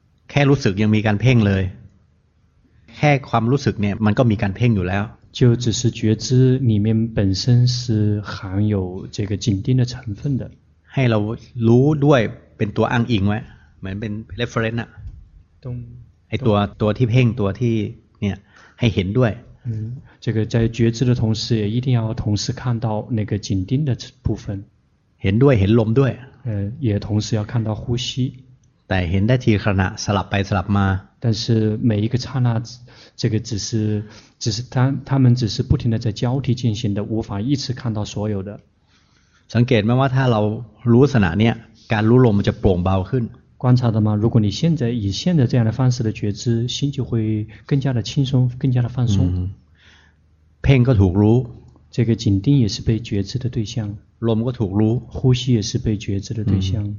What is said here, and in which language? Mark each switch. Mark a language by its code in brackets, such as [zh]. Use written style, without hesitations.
[th] แค่รู้สึกยังมีการเพ่งเลยแค่ความรู้สึกเนี่ยมันก็มีการเพ่งอยู่แล้ว [zh] 就只是觉知里面本身是含有这个紧盯的成分的 [th] ให้เรารู้ด้วยเป็นตัวอ้างอิงไว้เหมือนเป็น reference อะ ตรง ไอตัวที่เพ่งตัวที่เนี่ยให้เห็นด้วย [zh] 这个在觉知的同时也一定要同时看到那个紧盯的部分 [th] เห็นด้วยเห็นลมด้วย [zh] 也同时要看到呼吸 [th] แต่เห็นได้ทีขณะสลับไปสลับมา [zh] 但是每一个刹那这个只是他们只是不停的在交替进行的无法一次看到所有的 [th] สังเกตไหมว่าถ้าเรารู้ขณะเนี้ยการรู้ลมมันจะโปร่งเบาขึ้น [zh] 观察到吗如果你现在以现在这样的方式的觉知心就会更加的轻松更加的放松 [th] เพ่งก็ถูกรู้ [zh] 这个紧盯也是被觉知的对象 [th] ลมก็ถูกรู้ [zh] 呼吸也是被觉知的对象